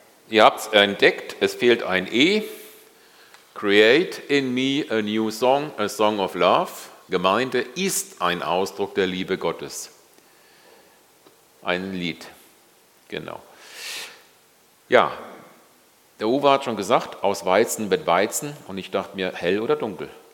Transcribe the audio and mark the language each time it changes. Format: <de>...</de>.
<de>Ihr habt es entdeckt, es fehlt ein E.</de> <en>Create in me a new song, a song of love.</en> <de>Gemeinde ist ein Ausdruck der Liebe Gottes. Ein Lied. Genau. Ja, der Uwe hat schon gesagt, aus Weizen wird Weizen. Und ich dachte mir, hell oder dunkel?</de>